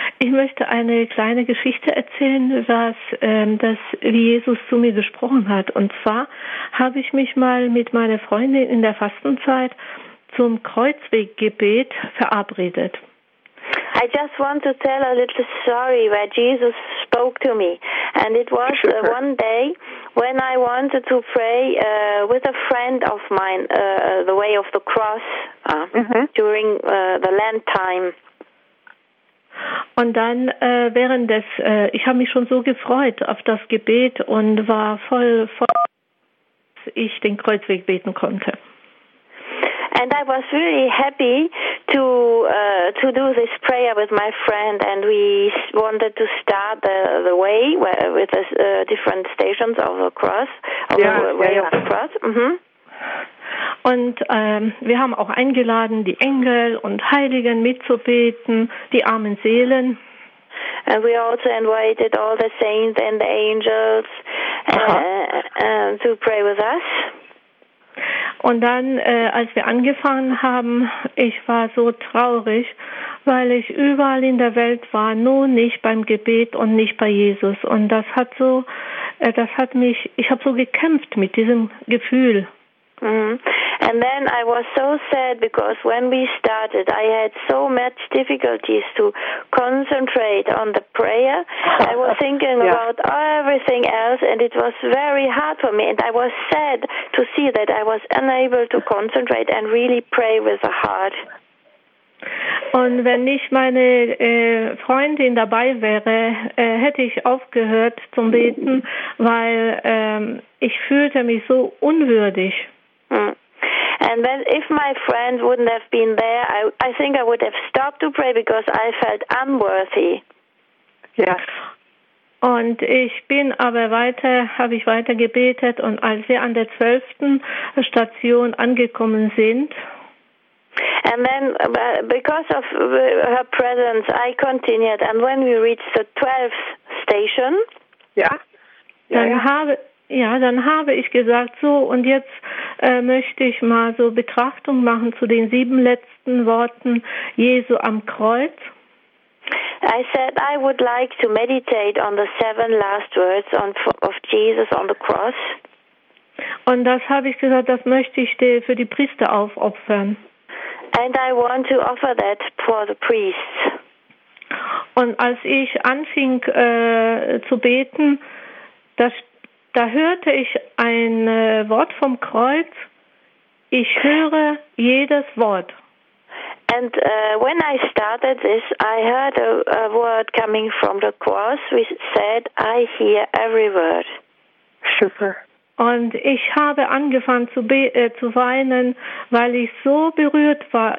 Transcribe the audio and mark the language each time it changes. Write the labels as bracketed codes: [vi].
[de] Ich möchte eine kleine Geschichte erzählen, wie Jesus zu mir gesprochen hat. Und zwar habe ich mich mal mit meiner Freundin in der Fastenzeit zum Kreuzweggebet verabredet. [en] I just want to tell a little story where Jesus spoke to me. And it was one day when I wanted to pray with a friend of mine, the way of the cross, during the Lent time. [de] Und dann während des, ich habe mich schon so gefreut auf das Gebet und war voll, dass ich den Kreuzweg beten konnte. [en] And I was really happy to do this prayer with my friend, and we wanted to start the way with the different stations of the cross, of the cross. [de] Und wir haben auch eingeladen, die Engel und Heiligen mitzubeten, die armen Seelen. [en] And we also invited all the saints and the angels to pray with us. [de] Und dann, als wir angefangen haben, ich war so traurig, weil ich überall in der Welt war, nur nicht beim Gebet und nicht bei Jesus. Und das hat so, ich habe so gekämpft mit diesem Gefühl. Mm-hmm. [en] And then I was so sad because when we started, I had so much difficulties to concentrate on the prayer. I was thinking about everything else, and it was very hard for me. And I was sad to see that I was unable to concentrate and really pray with the heart. [de] Und wenn nicht meine Freundin dabei wäre, hätte ich aufgehört zum Beten, weil ich fühlte mich so unwürdig. [en] And then if my friend wouldn't have been there, I think I would have stopped to pray because I felt unworthy. Yes. [de] Und ich bin aber weiter, habe ich weiter gebetet, und als wir an der 12. Station angekommen sind. [en] And then because of her presence, I continued. And when we reached the 12th station. [de] Dann habe ich gesagt, so, und jetzt möchte ich mal so Betrachtung machen zu den 7 letzten Worten Jesu am Kreuz. [en] I said I would like to meditate on the 7 last words of Jesus on the cross. [de] Und das habe ich gesagt, das möchte ich für die Priester aufopfern. [en] And I want to offer that for the priests. [de] Und als ich anfing zu beten, da hörte ich ein Wort vom Kreuz. Ich höre jedes Wort. [en] And when I started this, I heard a word coming from the cross, which said, I hear every word. [de] Super. Und ich habe angefangen zu weinen, weil ich so berührt war.